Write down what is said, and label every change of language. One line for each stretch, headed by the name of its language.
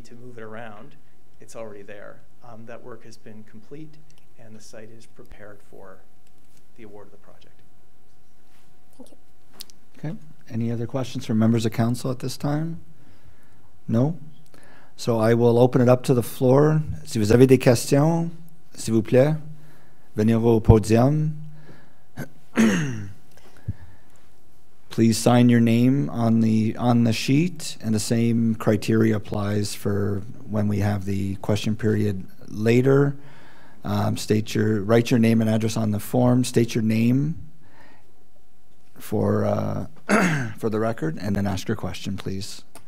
English: to move it around, it's already there. That work has been complete, and the site is prepared for the award of the project. Thank you. Okay, any other questions from members of council at this time? No? So I will open it up to the floor.
French: Si vous avez des questions, s'il vous plaît, venez au podium.
English: Please sign your name on the sheet, and the same criteria applies for when we have the question period later. Write your name and address on the form. State your name for for the record, and then ask your question, please.